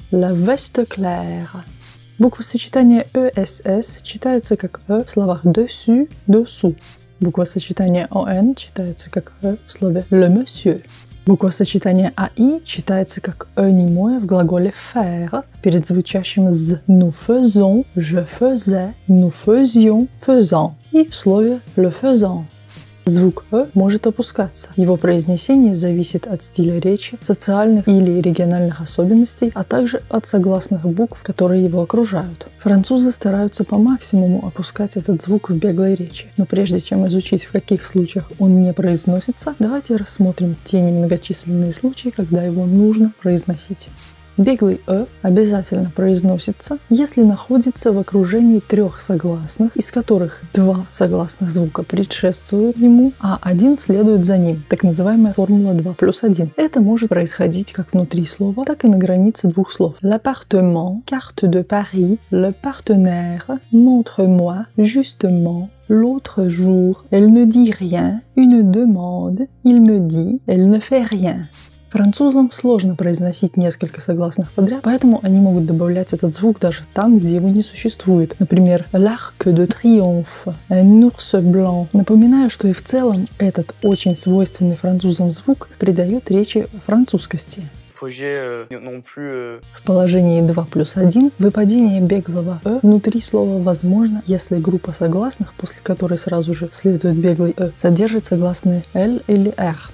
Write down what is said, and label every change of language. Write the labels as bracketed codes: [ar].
[fr] «La veste claire». [ru] Буква сочетания «ess» читается как «e» в словах «dessus», «dessous». Буква сочетания «on» читается как «e» в слове «le monsieur». Буква сочетания «ai» читается как «e» немое в глаголе «faire» перед звучащим «z». [fr] «Nous faisons», «je faisais», «nous faisions», «faisons» [ru] и в слове [fr] «le faisons». [ru] Звук «э» может опускаться. Его произнесение зависит от стиля речи, социальных или региональных особенностей, а также от согласных букв, которые его окружают. Французы стараются по максимуму опускать этот звук в беглой речи. Но прежде чем изучить, в каких случаях он не произносится, давайте рассмотрим те немногочисленные случаи, когда его нужно произносить. Беглый «э» обязательно произносится, если находится в окружении трех согласных, из которых два согласных звука предшествуют ему, а один следует за ним, так называемая формула 2 плюс 1. Это может происходить как внутри слова, так и на границе двух слов. [fr] L'appartement, carte de Paris, le partenaire, montre-moi, justement, l'autre jour, elle ne dit rien, une demande, il me dit, elle ne fait rien. [ru] Французам сложно произносить несколько согласных подряд, поэтому они могут добавлять этот звук даже там, где его не существует. [fr] Например, l'arc de triomphe, un ours blanc. [ru] Напоминаю, что и в целом этот очень свойственный французам звук придает речи французскости. В положении 2 плюс 1 выпадение беглого «э» внутри слова возможно, если группа согласных, после которой сразу же следует беглый «э», содержит согласные «l» или «r».